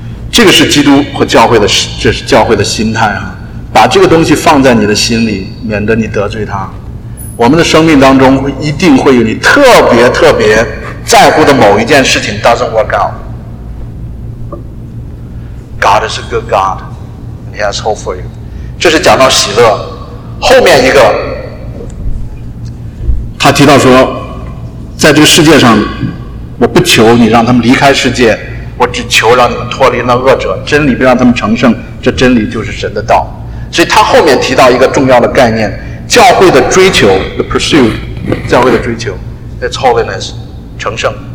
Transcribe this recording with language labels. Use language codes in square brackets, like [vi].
[zh] 这个是基督和教会的，这是教会的心态啊！把这个东西放在你的心里，免得你得罪他。我们的生命当中一定会有你特别特别在乎的某一件事情 [en] doesn't work out。 God is a good God， and He has hope for you。 [zh] 这是讲到喜乐。后面一个他提到说，在这个世界上我不求你让他们离开世界，我只求让你们脱离那恶者，真理不让他们成圣，这真理就是神的道。所以他后面提到一个重要的概念，教会的追求 the pursuit， 教会的追求 [en] it's holiness， [zh] 成圣。